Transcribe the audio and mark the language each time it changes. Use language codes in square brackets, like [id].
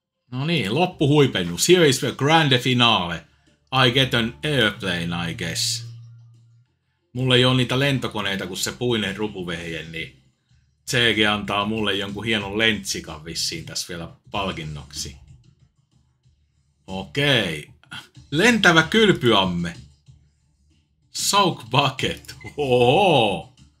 [fi] No niin, loppuhuipennus. [en] Here is the grand finale. I get an airplane, I guess. [fi] Mulla ei ole niitä lentokoneita, kun se puinen rupuvehje, niin CG antaa mulle jonkun hienon lentsikan vissiin tässä vielä palkinnoksi. Okei. Lentävä kylpyamme. [en] Soak bucket. [fi] Oho.